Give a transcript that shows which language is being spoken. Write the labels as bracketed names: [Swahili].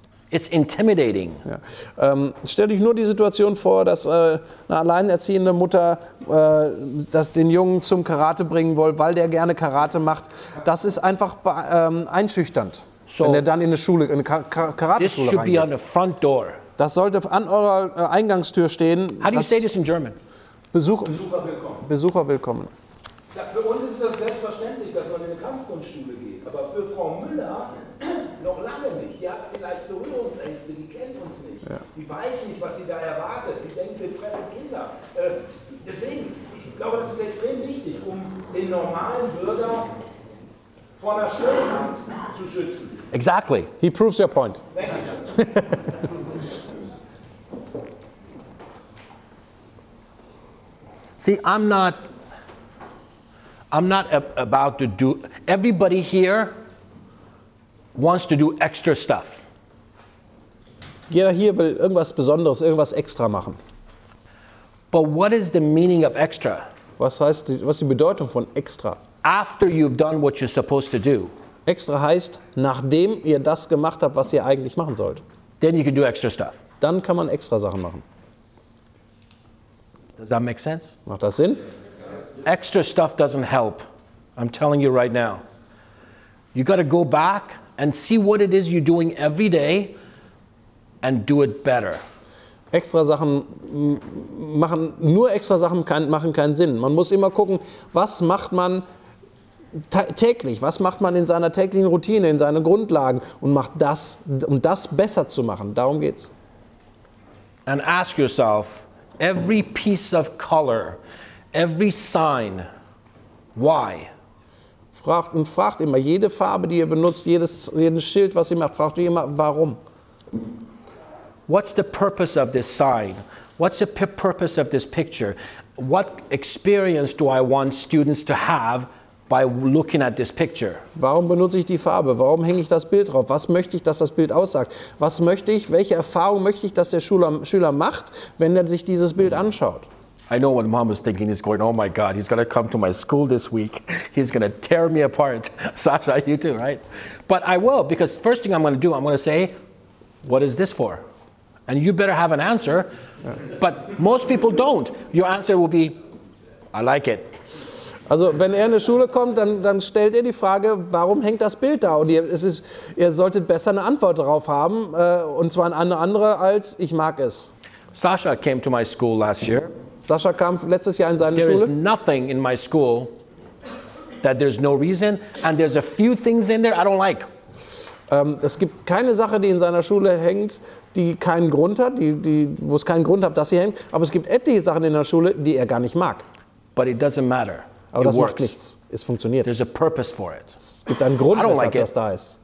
[English] It's intimidating. [German] Ja. Stell dich nur die Situation vor, dass eine alleinerziehende Mutter das den Jungen zum Karate bringen will, weil der gerne Karate macht. Das ist einfach einschüchternd, so wenn er dann in eine Schule, in eine Karate-Schule reingeht. [English] This should be on the front door. [German] Das sollte an eurer Eingangstür stehen. [English] How do you say this in German? [German] Besucher willkommen. Für uns ist das selbstverständlich, dass man in eine Kampfkunstschule geht. Aber für Frau Müller noch lange nicht. Die hat vielleicht Berührungsängste, die kennt uns nicht. Ja. Die weiß nicht, was sie da erwartet. Die denkt, wir fressen Kinder. Deswegen, ich glaube, das ist extrem wichtig, um den normalen Bürger vor einer schlimmen Angst zu schützen. [English] Exactly. He proves your point. See, I'm not about to do, everybody here wants to do extra stuff. [German] Jeder hier will irgendwas Besonderes, irgendwas extra machen. [English] But what is the meaning of extra? [German] Was ist die Bedeutung von extra? [English] After you've done what you're supposed to do. [German] Extra heißt, nachdem ihr das gemacht habt, was ihr eigentlich machen sollt. [English] Then you can do extra stuff. [German] Dann kann man extra Sachen machen. [English] Does that make sense? [German] Macht das Sinn? [English] Extra stuff doesn't help. I'm telling you right now. You got to go back and see what it is you're doing every day and do it better. [German] Extra Sachen machen, nur extra Sachen machen keinen Sinn. Man muss immer gucken, was macht man täglich, was macht man in seiner täglichen Routine, in seinen Grundlagen und macht das, um das besser zu machen. Darum geht's. [English] And ask yourself, every piece of color, every sign, why? [German] Fragt immer, jede Farbe, die ihr benutzt, jedes Schild, was ihr macht, fragt ihr immer, warum? [English] What's the purpose of this sign? What's the purpose of this picture? What experience do I want students to have by looking at this picture? [German] Warum benutze ich die Farbe? Warum hänge ich das Bild drauf? Was möchte ich, dass das Bild aussagt? Was möchte ich, welche Erfahrung möchte ich, dass der Schüler macht, wenn er sich dieses Bild anschaut? [English] I know what mom is thinking. He's going, oh my God, he's going to come to my school this week. He's going to tear me apart. Sasha, you too, right? But I will, because first thing I'm going to do, I'm going to say, what is this for? And you better have an answer, but most people don't. Your answer will be, I like it. [German] Also, wenn er in die Schule kommt, dann stellt er die Frage, warum hängt das Bild da? Und ihr solltet besser eine Antwort darauf haben, und zwar eine andere als, ich mag es. [English] Sasha came to my school last year. [German] Sasha kam letztes Jahr in seine [English] there [German] Schule. [English] There is nothing in my school that there's no reason, and there's a few things in there I don't like. [German] Es gibt keine Sache, die in seiner Schule hängt, die keinen Grund hat, wo es keinen Grund hat, dass sie hängt. Aber es gibt etliche Sachen in der Schule, die er gar nicht mag. [English] But it doesn't matter. [German] Aber [English] it [German] das [English] works. [German] Macht nichts. Es funktioniert. [English] There's a purpose for it. [German] Es gibt einen Grund, weshalb like das da ist.